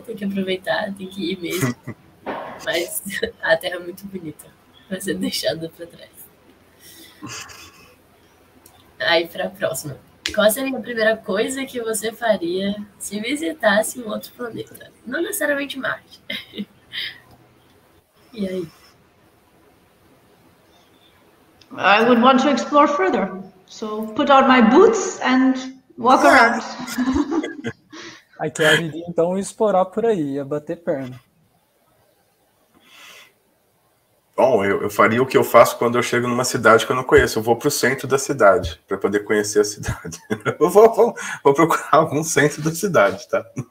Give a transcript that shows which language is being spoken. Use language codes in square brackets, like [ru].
[pt] Tem que aproveitar, tem que ir mesmo. Mas a Terra é muito bonita. Vai ser deixado para trás. Aí, para a próxima. Qual seria a primeira coisa que você faria se visitasse um outro planeta? Não necessariamente Marte. E aí? [en] I would want to explore further. So, put on my boots and walk around. I can't, [pt] então, explorar por aí, é bater perna. Bom, eu faria o que eu faço quando eu chego numa cidade que eu não conheço. Eu vou para o centro da cidade, para poder conhecer a cidade. Eu vou procurar algum centro da cidade, tá?